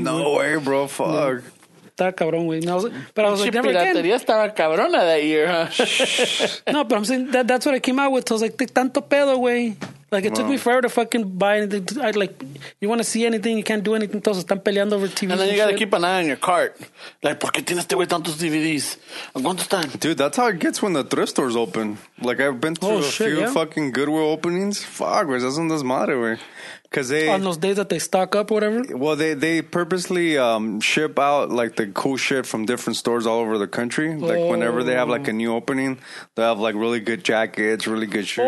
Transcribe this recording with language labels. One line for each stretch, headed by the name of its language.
English: No way, bro. Fuck. No.
Spanish: Está cabrón, güey.
English: No, but I was like, never again.
Spanish: Piratería estaba cabrona
English: that year, huh? No, but I'm saying that's what I came out with. So I was like,
Spanish: tanto pedo, güey.
English: Like, it took me forever to fucking buy anything. You want to see anything, you can't do anything.
Spanish: Todos están peleando
English: over TVs. And then you got to keep an eye on your cart.
Spanish: Like, ¿por qué tiene este güey tantos DVDs? ¿Cuánto están?
English: Dude, that's how it gets when the thrift stores open. Like, I've been through a few fucking Goodwill openings. Fuck, güey. That's
Spanish: un desmadre, güey.
English: Cause on those days that they stock up, whatever. Well, they purposely ship out like the cool shit from different stores all over the country. Like whenever they have like a new opening, they have like really good jackets, really good shoes.